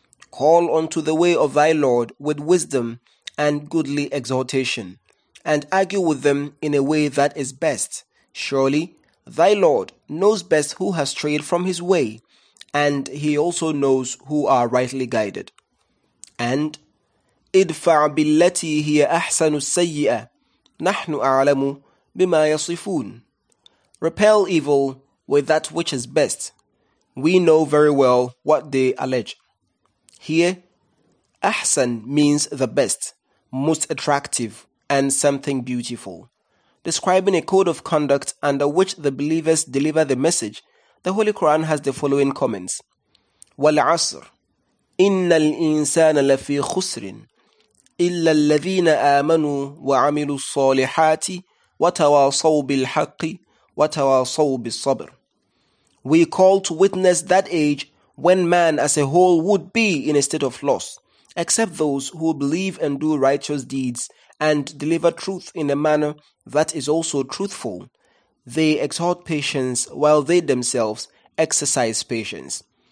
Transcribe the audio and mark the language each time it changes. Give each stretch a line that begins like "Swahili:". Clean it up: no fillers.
English: Call unto the way of thy Lord with wisdom and goodly exhortation, and argue with them in a way that is best. Surely, thy Lord knows best who has strayed from his way, and he also knows who are rightly guided. And,
Arabic: ادفع بالتي هي أحسن السيئة نحن أعلم بما يصفون
English: Repel evil with that which is best. We know very well what they allege. Here, أحسن means the best, most attractive, and something beautiful. Describing a code of conduct under which the believers deliver the message, the Holy Quran has the following comments.
Arabic: والعصر إن الإنسان لفي خسر إلا الذين آمنوا وعملوا الصالحات وتواصوا بالحق وتواصوا بالصبر
English: We call to witness that age when man as a whole would be in a state of loss, except those who believe and do righteous deeds and deliver truth in a manner that is also truthful. They exhort patience while they themselves exercise patience.